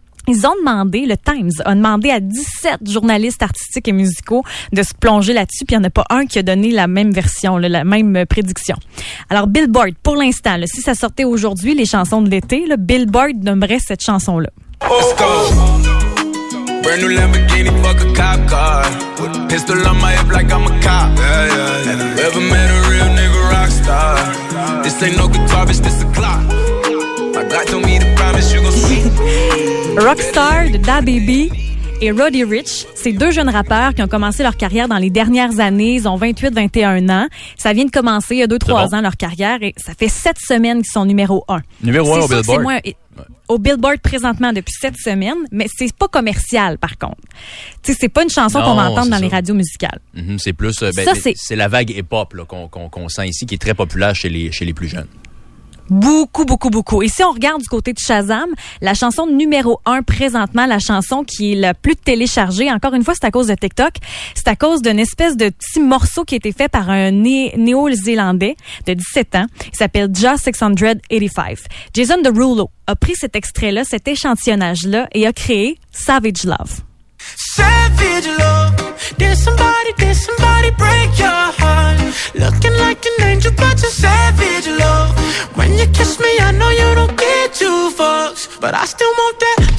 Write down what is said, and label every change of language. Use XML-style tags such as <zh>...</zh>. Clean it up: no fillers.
<fr>Ils ont demandé, le Times a demandé à 17 journalistes artistiques et musicaux de se plonger là-dessus, puis il n'y en a pas un qui a donné la même version, la même prédiction. Alors, Billboard, pour l'instant, si ça sortait aujourd'hui, les chansons de l'été, Billboard nommerait cette chanson-là.</fr> <en>Let's go. Brand new Lamborghini, fuck a cop car. Put a pistol on my hip like I'm a cop. Yeah, yeah, yeah. Never met a real nigga rock star. This ain't no guitar, bitch, this a clock. My God told me to promise you gon' see.</en> <fr>Rockstar de DaBaby et Roddy Ricch, c'est deux jeunes rappeurs qui ont commencé leur carrière dans les dernières années. Ils ont 28-21 ans. Ça vient de commencer il y a 2-3 ans leur carrière et ça fait 7 semaines qu'ils sont numéro 1. Numéro 1 au Billboard. C'est au Billboard présentement depuis 7 semaines, mais c'est pas commercial par contre. Tu sais, c'est pas une chanson qu'on va entendre dans les radios musicales. Mm-hmm, c'est plus c'est la vague hip-hop là, qu'on sent ici qui est très populaire chez les plus jeunes. Beaucoup, beaucoup, beaucoup. Et si on regarde du côté de Shazam, la chanson numéro 1 présentement, la chanson qui est la plus téléchargée, encore une fois, c'est à cause de TikTok, c'est à cause d'une espèce de petit morceau qui a été fait par un néo-zélandais de 17 ans. Il s'appelle Ja685. Jason Derulo a pris cet extrait-là, cet échantillonnage-là, et a créé Savage Love.</fr> <en>Savage Love, did somebody break your heart? Looking like an angel, but you're savage love. When you kiss me, I know you don't get two fucks, but I still want that.</en>